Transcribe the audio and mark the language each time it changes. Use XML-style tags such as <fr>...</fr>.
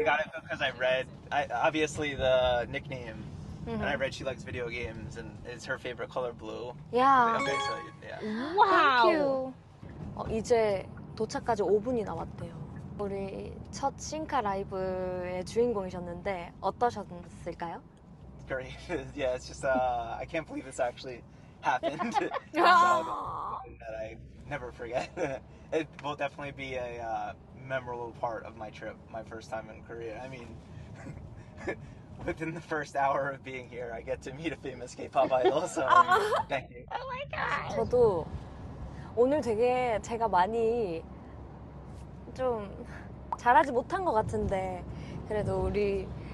<en>I got it because I read, obviously the nickname, mm-hmm. and I read she likes video games and it's her favorite color blue. Yeah. Okay, so yeah. Wow! Thank you!</en> <ko>이제 도착까지 5분이 남았대요. 우리 첫 싱카 라이브의 주인공이셨는데 어떠셨을까요?</ko> <en>Great. Yeah, it's just, I can't believe this actually happened. that I never forget. It will definitely be a memorable part of my trip, my first time in Korea. I mean, within the first hour of being here, I get to meet a famous K-pop idol, so thank you. Oh my god!</en> <ko>저도 오늘 되게 제가 많이 좀 잘하지 못한 것 같은데 그래도 우리</ko>